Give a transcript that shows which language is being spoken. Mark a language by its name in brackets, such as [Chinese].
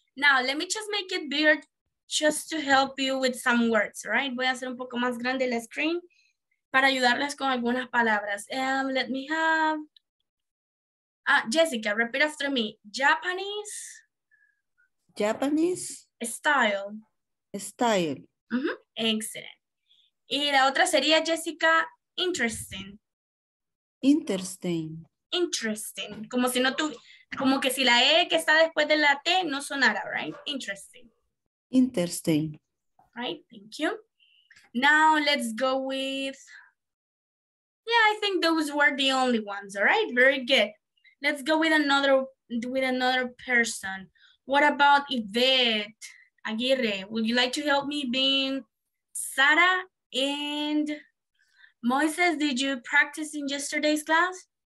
[English] Now, let me just make it bigger just to help you with some words, right? [Spanish] Voy a hacer un poco más grande la screen para ayudarles con algunas palabras. [English] Let me have... Jessica, repeat after me. Japanese? Japanese? Style. Style. [Spanish] Mm-hmm. [English] Excellent. [Spanish] Y la otra sería, Jessica, interesting. Interesting. Interesting. Como si no tuviera... Como que si la E que está después de la T no sonara, right? [English] Interesting. Interesting. Right, thank you. Now let's go with, yeah, I think those were the only ones, all right? Very good. Let's go with another person. What about Yvette Aguirre? Would you like to help me being Sara? And Moises, did you practice in yesterday's class?